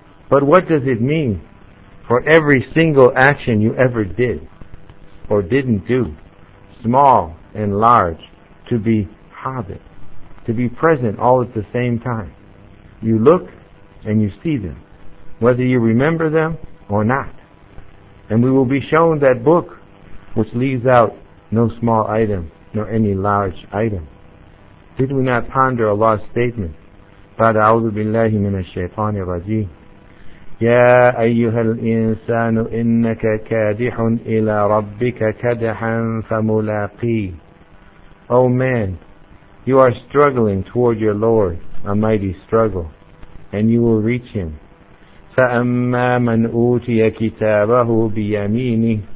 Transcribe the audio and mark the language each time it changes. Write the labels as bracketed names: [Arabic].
[English] But what does it mean for every single action you ever did or didn't do, small and large, to be hadir, to be present all at the same time? You look and you see them, whether you remember them or not. And we will be shown that book which leaves out no small item nor any large item. Did we not ponder Allah's statement, [Arabic] بَعْدَ أَعُوذُ بِاللَّهِ مِنَ الشَّيْطَانِ الرَّجِيمِ يا أيها الإنسان إنك كادح إلى ربك كدحا فملاقي. [English] O man, you are struggling toward your Lord, a mighty struggle, and you will reach Him. [Arabic] فأما من أوتي كتابه بيمينه.